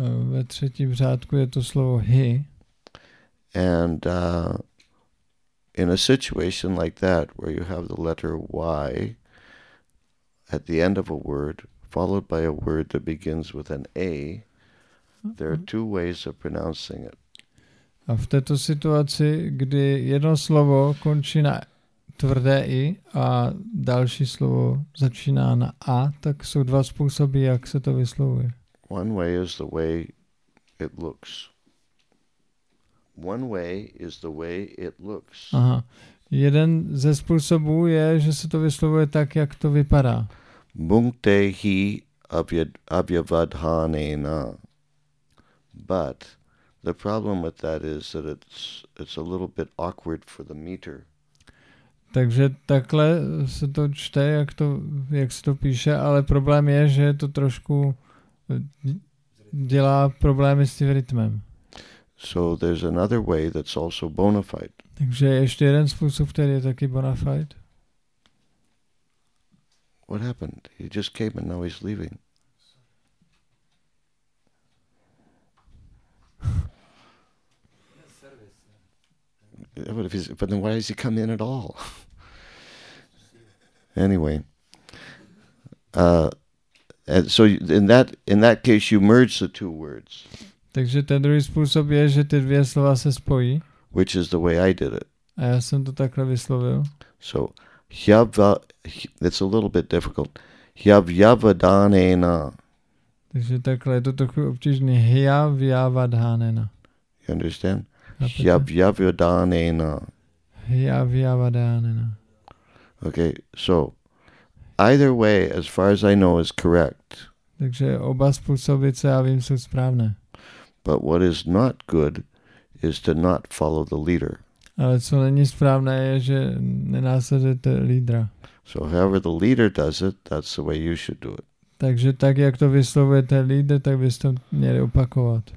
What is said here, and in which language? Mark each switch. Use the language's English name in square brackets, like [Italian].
[Czech] Ve třetím řádku je to slovo he. [English] And in a situation like that, where you have the letter Y at the end of a word, followed by a word that begins with an A, there are two ways of pronouncing it. [Czech] A v této situaci, kdy jedno slovo končí na tvrdé I a další slovo začíná na A, tak jsou dva způsoby, jak se to vyslovuje. [English] One way is the way it looks. One way is the way it looks. Aha. [Czech] Jeden ze způsobů je, že se to vyslovuje tak, jak to vypadá. [Sanskrit] Bungtehi avyavadhanena. [English] But the problem with that is that it's a little bit awkward for the meter. [Czech] Takže takhle se to čte, jak se to píše, ale problém je, že to trošku dělá problémy s tím rytmem. [English] So there's another way that's also bona fide. [Czech] Takže ještě jeden způsob, který je taky bona fide. [English] What happened? He just came and now he's leaving. But if he's, but then why does he come in at all? Anyway, and so in that case you merge the two words. [Czech] Takže ten druhý způsob je, že ty dvě slova se spojí. [English] Which is the way I did it. [Czech] A já jsem to takhle vyslovil. [English] So, hjava, it's a little bit difficult. [Sanskrit] Hjavyavadhanena. [Czech] Takže takhle je to trochu obtížný. Hjavyavadhanena. [English] You understand? Hjavyavadhanena. [Sanskrit] Hjavyavadhanena. [English] Okay, so, either way, as far as I know, is correct. [Czech] Takže oba způsoby, co já vím, jsou správné. [English] But what is not good is to not follow the leader. [Czech] Ale co není správné je, že nenásledujete lídra. [English] So however the leader does it, that's the way you should do it. [Czech] Takže tak, jak to vyslovujete lídr, tak byste měli opakovat.